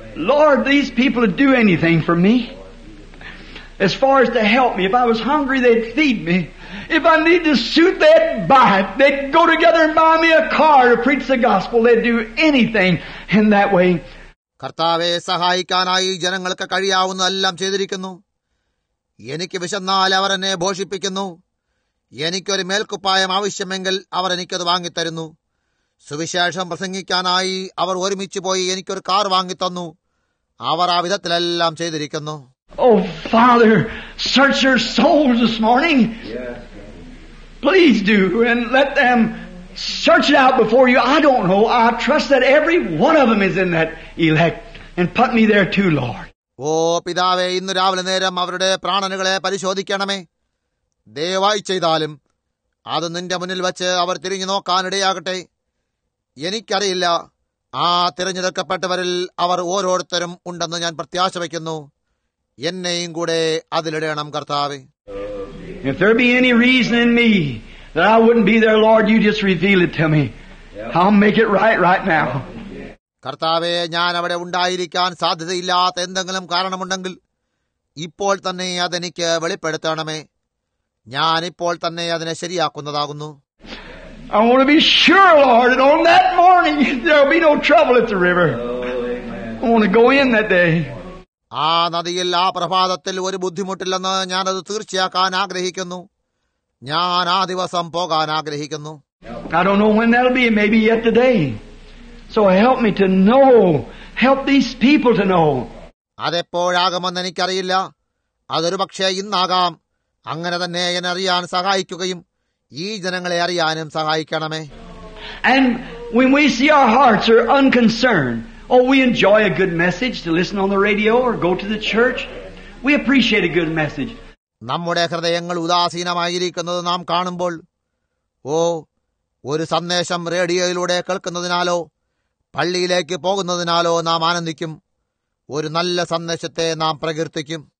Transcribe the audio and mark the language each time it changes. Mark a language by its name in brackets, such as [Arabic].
[English] Lord, these people would do anything for me. As far as to help me, if I was hungry, they'd feed me. If I needed a suit, they'd buy it. They'd go together and buy me a car to preach the gospel. They'd do anything in that way. [Malayalam] കർത്താവെ, സഹായിക്കാനായി ജനങ്ങൾക്ക് കഴിയാവുന്നതെല്ലാം ചെയ്തിരിക്കുന്നു. എനിക്ക് വിശന്നാൽ അവർ എന്നെ പോഷിപ്പിക്കുന്നു. എനിക്കൊരു മേൽക്കുപ്പായം ആവശ്യമെങ്കിൽ അവർ എനിക്കത് വാങ്ങിത്തരുന്നു. സുവിശേഷം പ്രസംഗിക്കാനായി അവർ ഒരുമിച്ച് പോയി എനിക്കൊരു കാർ വാങ്ങിത്തന്നു. അവർ ആ വിധത്തിലെല്ലാം ചെയ്തിരിക്കുന്നു. [English] Oh Father, search your souls this morning. Please do, and let them search it out before you. I don't know. I trust that every one of them is in that elect, and put me there too, Lord. [Malayalam] ഓ പിതാവേ, ഇന്ന് രാവിലെ നേരം അവരുടെ പ്രാണനുകളെ പരിശോധിക്കണമേ. ദയവായി ചെയ്താലും അത് നിന്റെ മുന്നിൽ വെച്ച് അവർ തിരിഞ്ഞു നോക്കാനിടയാകട്ടെ. എനിക്കറിയില്ല, ആ തിരഞ്ഞെടുക്കപ്പെട്ടവരിൽ അവർ ഓരോരുത്തരും ഉണ്ടെന്ന് ഞാൻ പ്രത്യാശ വയ്ക്കുന്നു. എന്നെയും കൂടെ അതിലിടണം കർത്താവേ. [English] If there be any reason in me that I wouldn't be there, Lord, you just reveal it to me. I'll make it right now. [Malayalam] കർത്താവേ, ഞാൻ അവിടെ ഉണ്ടായിരിക്കാൻ സാധ്യതയില്ലാത്ത എന്തെങ്കിലും കാരണമുണ്ടെങ്കിൽ ഇപ്പോൾ തന്നെ അതെനിക്ക് വെളിപ്പെടുത്തണമേ. ഞാനിപ്പോൾ തന്നെ അതിനെ ശരിയാക്കുന്നതാകുന്നു. [English] I want to be sure, Lord, that on that morning there will be no trouble at the river. I want to go in that day. [Malayalam] ആ നദിയിൽ ആ പ്രഭാതത്തിൽ ഒരു ബുദ്ധിമുട്ടില്ലെന്ന് ഞാനത് തീർച്ചയാക്കാൻ ആഗ്രഹിക്കുന്നു. ഞാൻ ആ ദിവസം പോകാൻ ആഗ്രഹിക്കുന്നു. [English] I don't know when that'll be. Maybe yet today. So help me to know. Help these people to know. [Malayalam] അതെപ്പോഴാകുമെന്ന് എനിക്കറിയില്ല. അതൊരു പക്ഷേ ഇന്നാകാം. അങ്ങനെ തന്നെ എന്നെ അറിയാൻ സഹായിക്കുകയും ഈ ജനങ്ങളെ അറിയാനും സഹായിക്കണമേ. [English] And when we see our hearts are unconcerned, oh, we enjoy a good message to listen on the radio or go to the church. We appreciate a good message. [Malayalam] നമ്മുടെ ഹൃദയങ്ങൾ ഉദാസീനമായിരിക്കുന്നത് നാം കാണുമ്പോൾ, ഓ, ഒരു സന്ദേശം റേഡിയോയിലൂടെ കേൾക്കുന്നതിനാലോ പള്ളിയിലേക്ക് പോകുന്നതിനാലോ നാം ആനന്ദിക്കും. ഒരു നല്ല സന്ദേശത്തെ നാം പ്രകീർത്തിക്കും.